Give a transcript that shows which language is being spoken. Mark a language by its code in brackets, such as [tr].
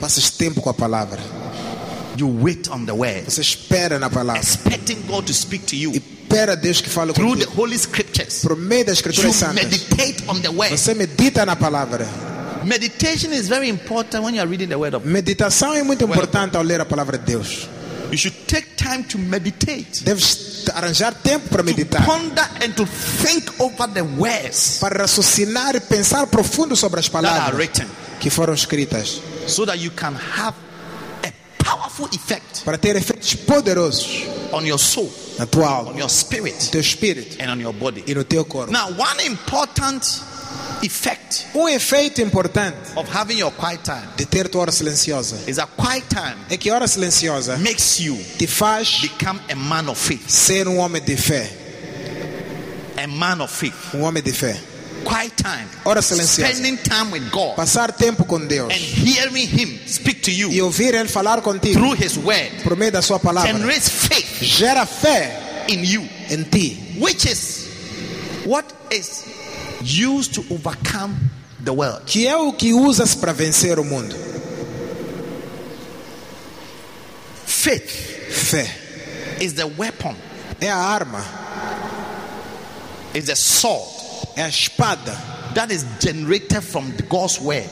[pt] passas tempo com a palavra. [en] You wait on the word. [pt] Você espera na palavra. [en] Expecting God to speak to you. [pt] Espera Deus que fale [en] through [pt] contigo. [en] The Holy Scriptures. [pt] Por meio das Escrituras Santas. [en] You meditate on the word. [pt] Você medita na palavra. [en] Meditation is very important when you are reading the word of God. [pt] Meditação é muito importante ao ler a palavra de Deus. [en] You should take time to meditate. [pt] Deves arranjar tempo para meditar. [en] To ponder and to think over the words. [pt] Para raciocinar e pensar profundo sobre as palavras [en] that are written, [pt] que foram escritas. [en] So that you can have powerful effect, [pt] para ter efeitos poderosos, [en] on your soul, [pt] na tua alma, [en] on your spirit, [pt] no teu espírito, [en] and on your body, [pt] e no teu corpo. [en] Now, one important effect, [pt] efeito importante, [en] of having your quiet time, [pt] de ter tua hora silenciosa, [en] is a quiet time, [pt] é que a hora silenciosa, [en] makes you, [pt] te faz, [en] become a man of faith, [pt] ser homem de fé, [en] a man of faith, [pt] homem de fé. [en] Quiet time, [pt] hora silenciosa, [en] spending time with God, [pt] passar tempo com Deus, [en] and hearing Him speak to you, [pt] e ouvir Ele falar contigo, [en] through His word, [pt] por meio da sua palavra, [en] generates faith, [pt] gera fé, [en] in you, [pt] em ti, [en] which is what is used to overcome the world, [pt] que é o que usas para vencer o mundo. [en] Faith, [pt] fé, [en] is the weapon, [pt] é a arma, [en] is the sword. [pt] É a espada [en] that is generated from God's word,